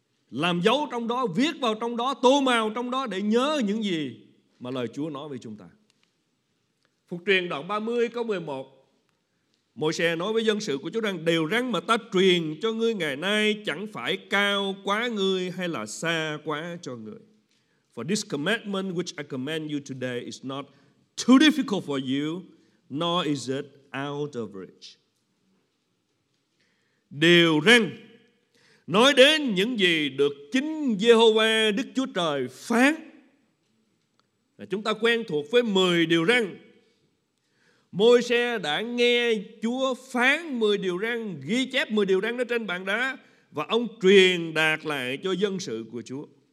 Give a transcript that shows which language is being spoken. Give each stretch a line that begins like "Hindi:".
Vietnamese: Làm dấu trong đó, viết vào trong đó, tô màu trong đó để nhớ những gì mà lời Chúa nói với chúng ta. Phục truyền đoạn 30 câu 11. Môi-se nói với dân sự của Chúa rằng: điều răn mà ta truyền cho ngươi ngày nay chẳng phải cao quá ngươi hay là xa quá cho ngươi.
English: For this commandment which I command you today is not too difficult for you, nor is it out of reach.
Vietnamese: Điều răn nói đến những gì được chính Jehovah Đức Chúa Trời phán. Chúng ta quen thuộc với 10 điều răn. Môi-se đã nghe Chúa phán 10 điều răn, ghi chép 10 điều răn đó trên bàn đá, và ông truyền đạt lại cho dân sự của Chúa.